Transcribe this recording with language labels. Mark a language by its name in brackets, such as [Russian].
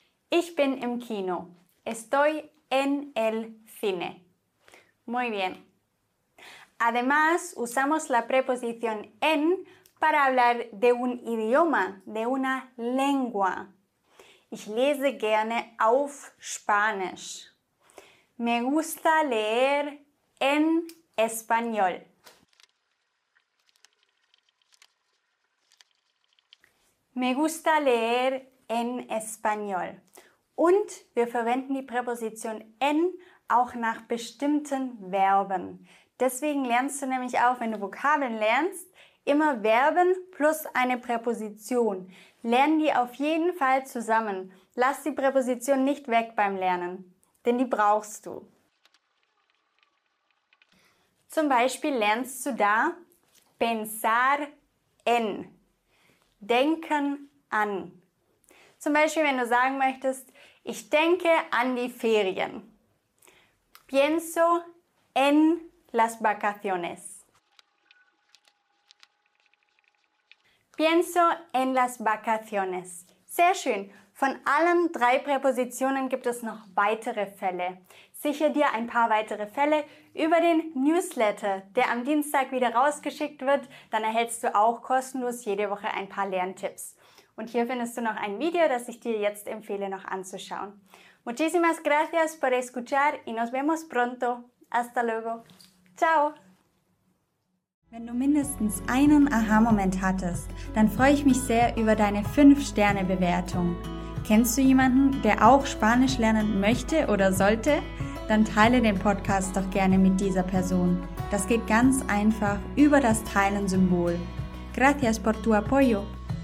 [German] Ich bin im Kino. [Spanish] Estoy en el cine. Muy bien. Además, usamos la preposición en para hablar de un idioma, de una lengua. [German] Ich lese gerne auf Spanisch. [Spanish] Me gusta leer en español. Me gusta leer en español. [German] Und wir verwenden die Präposition en auch nach bestimmten Verben. Deswegen lernst du nämlich auch, wenn du Vokabeln lernst, immer Verben plus eine Präposition. Lern die auf jeden Fall zusammen. Lass die Präposition nicht weg beim Lernen, denn die brauchst du. Zum Beispiel lernst du da [Spanish] pensar en. [German] Denken an. Zum Beispiel, wenn du sagen möchtest, ich denke an die Ferien. [Spanish] Pienso en las vacaciones. Pienso en las vacaciones. [German] Sehr schön. Von allen drei Präpositionen gibt es noch weitere Fälle. Sicher dir ein paar weitere Fälle über den Newsletter, der am Dienstag wieder rausgeschickt wird. Dann erhältst du auch kostenlos jede Woche ein paar Lerntipps. Und hier findest du noch ein Video, das ich dir jetzt empfehle, noch anzuschauen. [Spanish] Muchísimas gracias por escuchar y nos vemos pronto. Hasta luego. Ciao. [German] Wenn du mindestens einen Aha-Moment hattest, dann freue ich mich sehr über deine 5-Sterne-Bewertung. Kennst du jemanden, der auch Spanisch lernen möchte oder sollte? Dann teile den Podcast doch gerne mit dieser Person. Das geht ganz einfach über das Teilen-Symbol. [Spanish] Gracias por tu apoyo.